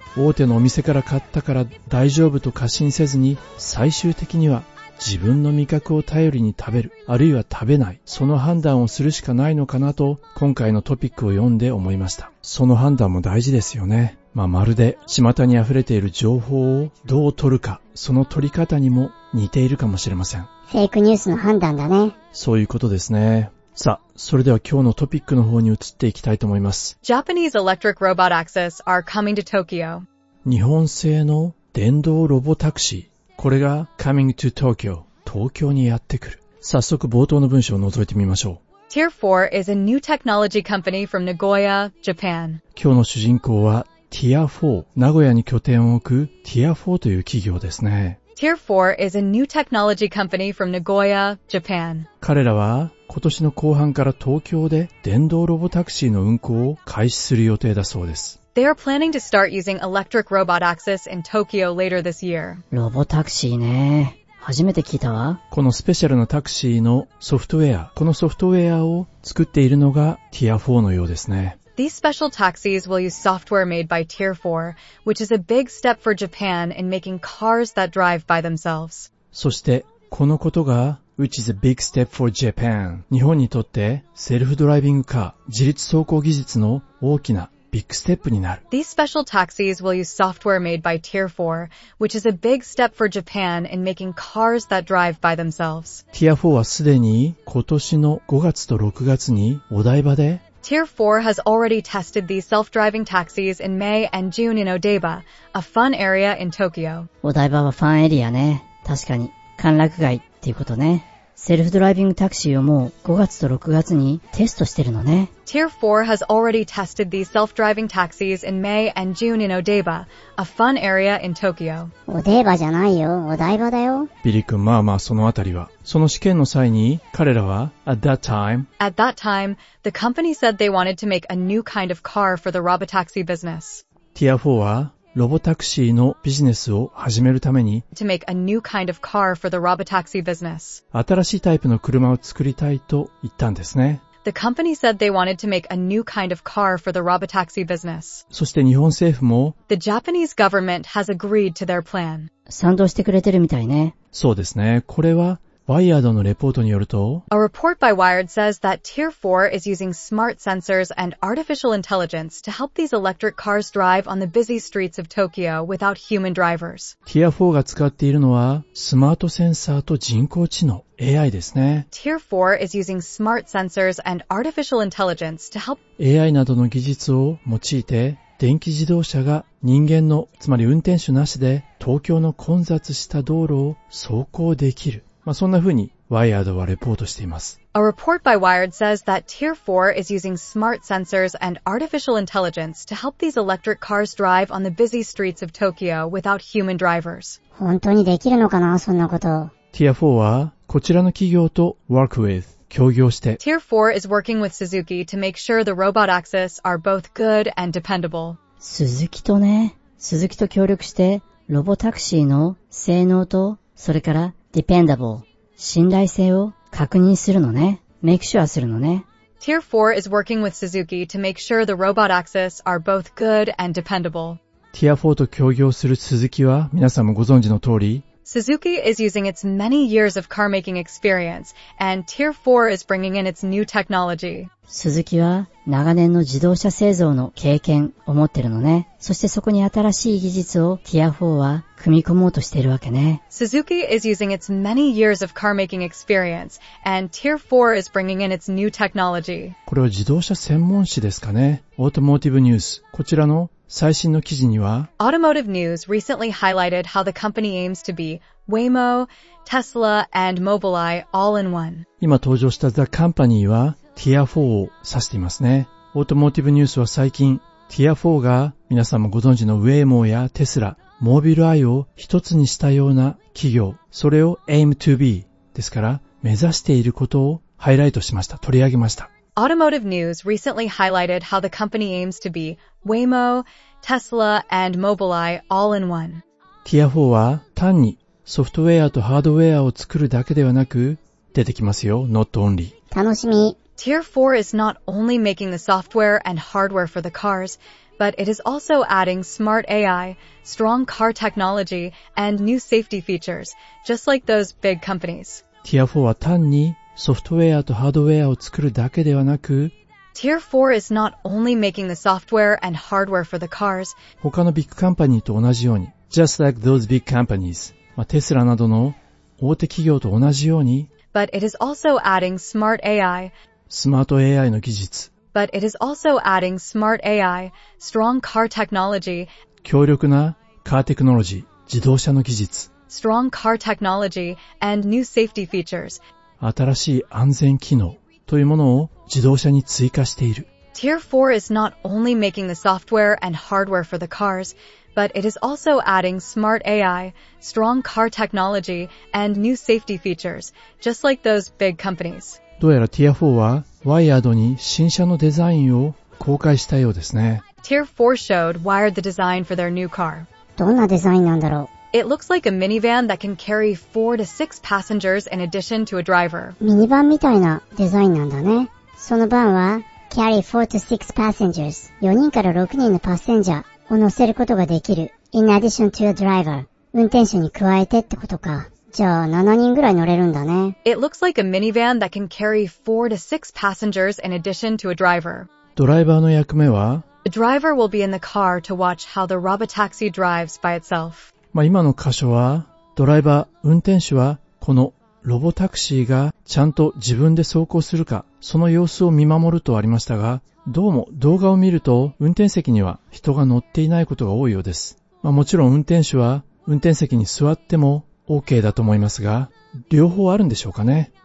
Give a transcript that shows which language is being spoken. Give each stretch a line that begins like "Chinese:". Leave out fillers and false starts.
Japanese: 大手のお店から買ったから大丈夫と過信せずに、最終的には自分の味覚を頼りに食べる、あるいは食べない、その判断をするしかないのかなと今回のトピックを読んで思いました。その判断も大事ですよね。まあ、まるで巷に溢れている情報をどう取るか、その取り方にも似ているかもしれません。フェイクニュースの判断だね。そういうことですね。さあ、それでは今日のトピックの方に移っていきたいと思います。
English: Japanese electric robot access are coming to Tokyo.
Japanese: 日本製の電動ロボタクシー、これが
English: coming to Tokyo、
Japanese: 東京にやってくる。早速冒頭の文章を覗いてみましょう。
English: Tier 4 is a new technology company from Nagoya, Japan.
Japanese: 今日の主人公はTier 4、 名古屋に拠点を置く Tier 4という企業ですね。
English: Tier 4 is a new technology company from Nagoya, Japan.
Japanese: 彼らは今年の後半から東京で電動ロボタクシーの運行を開始する予定だそうです。
English: They are planning to start using electric robot access in Tokyo later this year.
Japanese: ロボタクシーね、初めて聞いたわ。このスペシャルなタクシーのソフトウェア、このソフトウェアを作っているのが Tier 4のようですね。
English: These special taxis will use software made by Tier 4, which is a big step for Japan in making cars that drive by themselves.
Japanese: そして、このことが、
English: which is a big step for Japan.
Japanese: 日本にとって、セルフドライビングカー、自律走行技術の大きなビッグステップになる。
English: These special taxis will use software made by Tier 4, which is a big step for Japan in making cars that drive by themselves.
Japanese: Tier 4はすでに、今年の5月と6月に、お台場で、
English: Tier 4 has already tested these self-driving taxis in May and June in Odaiba, a fun area in Tokyo.
Japanese: Odaiba はファンエリアね。確かに、歓楽街っていうことね。セルフドライビングタクシーをもう5月と6月にテストしてるのね。
English: Tier 4 has already tested these self-driving taxis in May and June in Odaiba, a fun area in Tokyo.
Japanese: Odaiba じゃないよ、Odaiba だよ。ビリ君、まあまあそのあたりは。その試験の際に彼らは、
English: At that time, the company said they wanted to make a new kind of car for the robotaxi business.
Japanese: Tier 4は、ロボタクシーのビジネスを始めるために、
English: to make a new kind of car for the robotaxi business.
Japanese: 新しいタイプの車を作りたいと言ったんですね。
English: The company said they wanted to make a new kind of car for the robotaxi business.
Japanese: そして日本政府も、
English: the Japanese government has agreed to their plan.
Japanese: 賛同してくれてるみたいね。そうですね。これは、ワイヤードのレポートによると、
English: A report by Wired says that Tier 4 is using smart sensors and artificial intelligence to help these electric cars drive on the busy streets of Tokyo without human drivers.
Japanese: Tier 4が使っているのはスマートセンサーと人工知能、AI ですね。
English: Tier 4 is using smart sensors and artificial intelligence to help
Japanese: AI などの技術を用いて、電気自動車が人間の、つまり運転手なしで東京の混雑した道路を走行できる。まあ、そんな風にワイヤードはレポートしています。
English: A report by Wired says that Tier 4 is using smart sensors and artificial intelligence to help these electric cars drive on the busy streets of Tokyo without human drivers.
Japanese: 本当にできるのかな、そんなこと。 Tier 4はこちらの企業と
English: work with、
Japanese: 協業して。
English: Tier 4 is working with Suzuki to make sure the robot axis are both good and dependable.
Japanese: 鈴木とね、鈴木と協力して、ロボタクシーの性能と、それから
English: dependable、
Japanese: 信頼性を確認するのね。
English: Make sure
Japanese: するのね。
English: Tier 4 is working with Suzuki to make sure the robot axis are both good and dependable.
Japanese: Tier 4と協業する Suzuki は皆さんもご存知の通り、
English: Suzuki is using its many years of car making experience, and Tier 4 is bringing in its new technology.
Japanese: Suzuki は長年の自動車製造の経験を持ってるのね。そしてそこに新しい技術を Tier 4は組み込もうとしているわけね。
English: Suzuki is using its many years of car making experience, and Tier 4 is bringing in its new technology.
Japanese: これは自動車専門誌ですかね。
English: Automotive News。
Japanese: こちらの最新の記事には、
English: Automotive News recently highlighted how the company aims to be Waymo, Tesla, and Mobileye all in one.
Japanese: 今登場した The Company は Tier 4を指していますね。 Automotive News は最近、Tier 4が皆さんもご存知の Waymo や Tesla、Mobileye を一つにしたような企業、それを
English: aim to be
Japanese: ですから目指していることをハイライトしました。取り上げました。
English: Automotive News recently highlighted how the company aims to be Waymo, Tesla, and Mobileye all in one.
Japanese: Tier 4は単にソフトウェアとハードウェアを作るだけではなく出てきますよ。
English: Not only.
Japanese: 楽しみ。
English: Tier 4 is not only making the software and hardware for the cars, but it is also adding smart AI, strong car technology, and new safety features, just like those big companies.
Japanese: Tier 4は単にソフトウェアとハードウェアを作るだけではなく、
English: Tier 4 is not only making the software and hardware for the cars.
Japanese: 他のビッグカンパニーと同じように、
English: just like those big companies、
Japanese: まあ、テスラなどの大手企業と同じように、
English: but it is also adding smart AI、
Japanese: スマート AI の技術、
English: but it is also adding smart AI、strong car technology、
Japanese: 強力なカーテクノロジー、自動車の技術、
English: strong car technology and new safety features。
Japanese: 新しい安全機能というものを自動車に追加している。
English: Tier 4 is not only making the software and hardware for the cars, but it is also adding smart AI, strong car technology, and new safety features, just like those big companies.
Japanese: どうやら Tier 4は Wired に新車のデザインを公開したようですね。
English: Tier 4 showed Wired the design for their new car.
Japanese: どんなデザインなんだろう？
English: It looks like a minivan that can carry 4 to 6 passengers in addition to a driver.
Japanese: ミニバンみたいなデザインなんだね。そのバンは
English: carry 4 to 6 passengers.
Japanese: 4人から6人のパッセンジャーを乗せることができる。
English: In addition to a driver.
Japanese: 運転手に加えてってことか。じゃあ7人ぐらい乗れるんだね。
English: It looks like a minivan that can carry 4 to 6 passengers in addition to a driver.
Japanese: ドライバーの役目は？
English: A driver will be in the car to watch how the robotaxi drives by itself.
Japanese: まあ、今の箇所は、ドライバー、運転手は、このロボタクシーがちゃんと自分で走行するか、その様子を見守るとありましたが、どうも動画を見ると、運転席には人が乗っていないことが多いようです。まあ、もちろん運転手は、運転席に座っても OK だと思いますが、両方あるんでしょうかね。